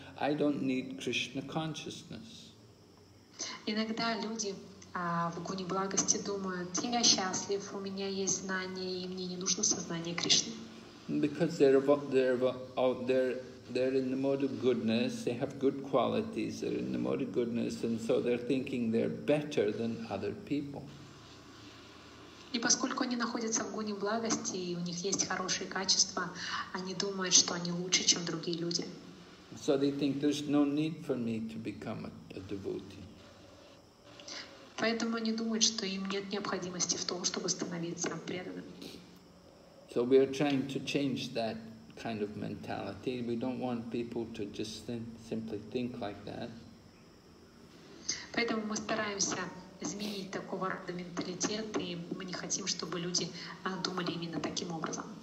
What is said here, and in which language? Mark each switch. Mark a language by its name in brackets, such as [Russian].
[English] I don't need Krishna consciousness. [Russian] Иногда люди в гуне благости думают, я счастлив, у меня есть знания, и мне не нужно сознание Кришны. [English] Because they're in the mode of goodness, they have good qualities, they're in the mode of goodness, and so they're thinking they're better than other people. [Russian] И поскольку они находятся в гуне благости, и у них есть хорошие качества, они думают, что они лучше, чем другие люди. [English] So they think there's no need for me to become a devotee. [Russian] Поэтому они думают, что им нет необходимости в том, чтобы становиться преданным. [English] So we are trying to change that kind of mentality. We don't want people to just simply think like that. [Russian] Поэтому мы стараемся изменить такого рода менталитет, и мы не хотим, чтобы люди думали именно таким образом.